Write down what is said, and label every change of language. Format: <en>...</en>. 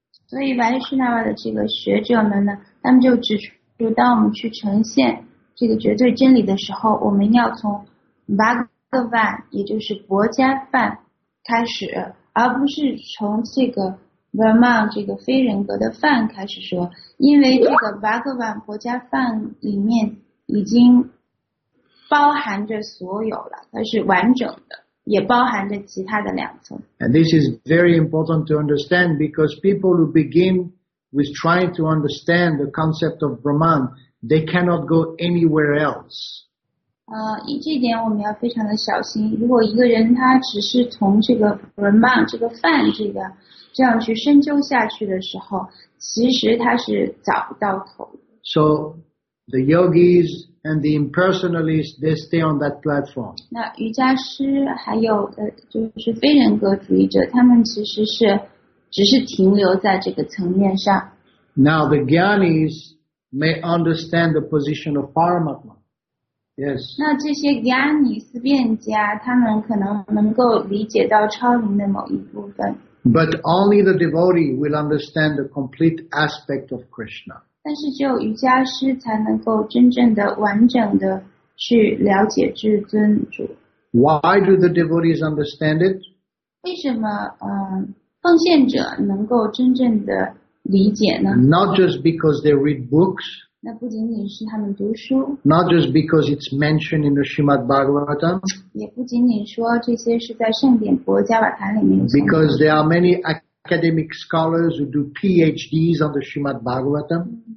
<zh>所以 Vaishnava 的这个学者们呢，他们就指出，当我们去呈现这个绝对真理的时候，我们要从 Bhagavan， 也就是薄伽梵开始，而不是从这个 Brahman 这个非人格的梵开始说，因为这个 Bhagavan 薄伽梵里面已经包含着所有了，它是完整的，也包含着其他的两层。</zh> <en>And this is very important to understand, because people who begin with trying to understand the concept of Brahman, they cannot go anywhere else.</en> <zh>这点我们要非常的小心。如果一个人他只是从这个 Brahman 这个梵这样去深究下去的时候，其实他是找不到头。</zh> <en>So the yogis and the impersonalists, they stay on that platform.</en> <zh>那瑜伽师还有就是非人格主义者，他们其实是只是停留在这个层面上。</zh> <en>Now the gyanis may understand the position of Paramatma. Yes.</en> <zh>那这些 gyanis 辩家，他们可能能够理解到超灵的某一部分。</zh> <en>But only the devotee will understand the complete aspect of Krishna.</en> <zh>但是只有瑜伽师才能够真正的、完整的去了解至尊主。</zh> <en>Why do the devotees understand it?</en> <zh>为什么奉献者能够真正的理解呢？</zh> <en>Not just because they read books.</en> <zh>那不仅仅是他们读书。</zh> <en>Not just because it's mentioned in the Srimad Bhagavatam.</en> <zh>也不仅仅说这些是在圣典薄伽瓦坛里面。</zh> <en>Because there are many academic scholars who do PhDs on the Srimad Bhagavatam.</en>